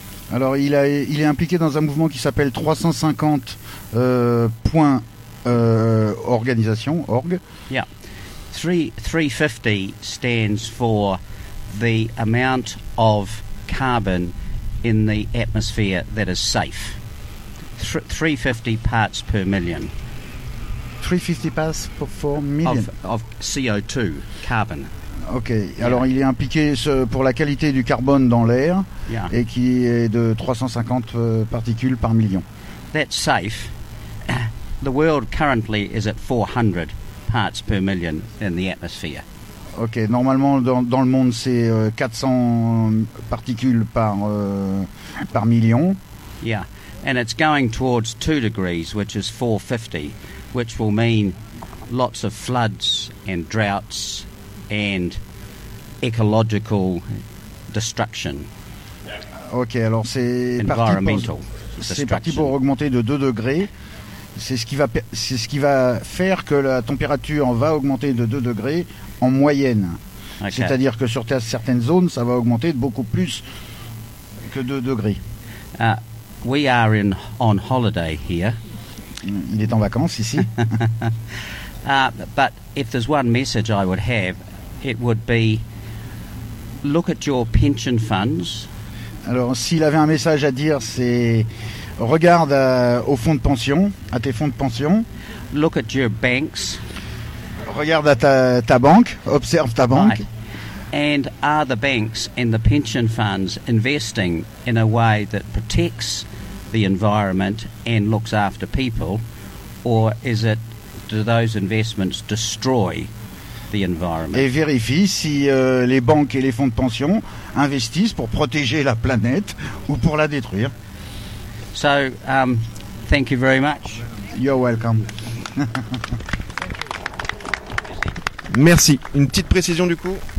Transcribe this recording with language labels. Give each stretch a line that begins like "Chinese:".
French: Alors, il est impliqué dans un mouvement qui s'appelle 350 point organisation, org.
English: Yeah. 350 stands for the amount of carbon in the atmosphere that is safe. 350 parts per million. 350 parts per million. Of CO2, carbon.
French: Ok, alors yeah. Il est impliqué pour la qualité du carbone dans l'air
English: yeah.
French: Et qui est de 350 particules par million.
English: That's safe. The world currently is at 400 parts per million in the atmosphere.
French: Ok, normalement dans le monde c'est 400 particules par million.
English: Yeah, and it's going towards 2 degrees, which is 450, which will mean lots of floods and droughts. And ecological destruction.
French: Ok, alors c'est
English: environmental.
French: C'est parti pour augmenter de 2 degrés. C'est ce qui va faire que la température va augmenter de 2 degrés en moyenne. Okay. C'est-à-dire que sur certaines zones, ça va augmenter de beaucoup plus que 2 degrés.
English: We are on holiday here.
French: Il est en vacances ici.
English: but if there's one message I would have. It would be look at your pension funds.
French: Alors, s'il avait un message à dire, c'est regarde aux fonds de pension, à tes fonds de pension.
English: Look at your banks.
French: Regarde à ta banque, observe ta banque.
English: Right. And are the banks and the pension funds investing in a way that protects the environment and looks after people, or is it do those investments destroy? The environment.
French: Et vérifie si les banques et les fonds de pension investissent pour protéger la planète ou pour la détruire.
English: So, thank you very much. You're welcome.
French: Merci. Une petite précision du coup.